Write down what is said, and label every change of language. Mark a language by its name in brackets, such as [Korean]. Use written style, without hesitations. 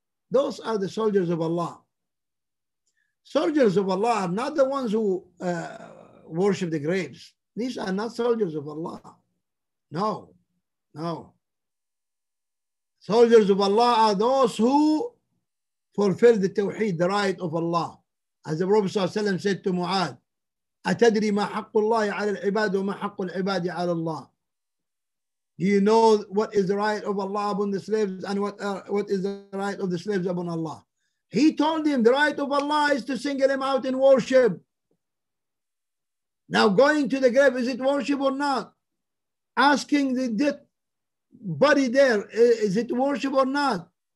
[English] Those are the soldiers of Allah. Soldiers of Allah are not the ones who worship the graves. These are not soldiers of Allah. No. Soldiers of Allah are those who fulfill the Tawheed, the right of Allah. As the Prophet ﷺ said to Mu'ad, [Arabic] أَتَدْرِي مَا حَقُّ اللَّهِ عَلَى الْعِبَادِ وَمَا حَقُّ الْعِبَادِ عَلَى اللَّهِ. [English] Do you know what is the right of Allah upon the slaves and what is the right of the slaves upon Allah? He told him the right of Allah is to single him out in worship. Now going to the grave, is it worship or not? Asking the dead body there, is it worship or not?